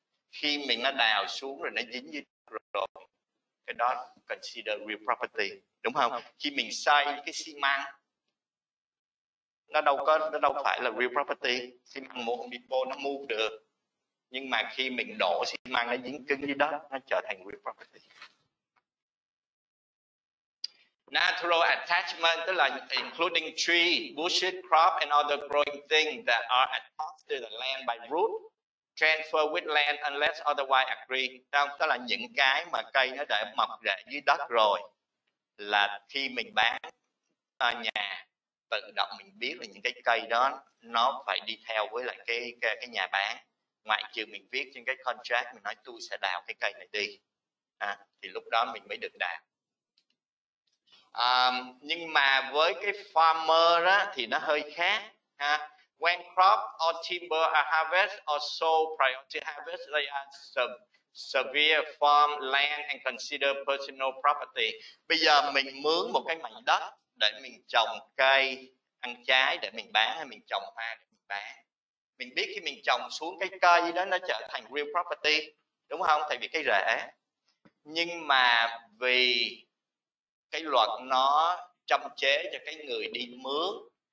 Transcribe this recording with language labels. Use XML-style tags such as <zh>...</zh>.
<vi>Khi mình nó đào xuống rồi nó dính dưới đất rồi, cái đó consider real property. Đúng không? Khi mình xây cái xi măng, nó đâu phải là real property. Xi măng mua Bipo nó mua được. Nhưng mà khi mình đổ xi măng nó dính cứng dưới đất, nó trở thành real property.</vi> <en>Natural attachment, tức là including tree, bushes, crop and other growing things that are attached to the land by root, transfer with land unless otherwise agreed.</en> <vi>Tức là những cái mà cây nó đã mọc rễ dưới đất rồi, là khi mình bán nhà tự động mình biết là những cái cây đó nó phải đi theo với lại cái nhà bán, ngoại trừ mình viết trên cái contract mình nói tôi sẽ đào cái cây này đi thì lúc đó mình mới được đào. Nhưng mà với cái farmer á thì nó hơi khác ha.</vi> <en>When crop or timber are harvested or sold prior to harvest, they are severe farm land and consider personal property.</en> <vi>Bây giờ mình mướn một cái mảnh đất để mình trồng cây ăn trái để mình bán, hay mình trồng hoa để mình bán. Mình biết khi mình trồng xuống cái cây đó nó trở thành real property, đúng không? Tại vì cái rễ. Nhưng mà vì cái luật nó chăm chế cho cái người đi mướn.</vi>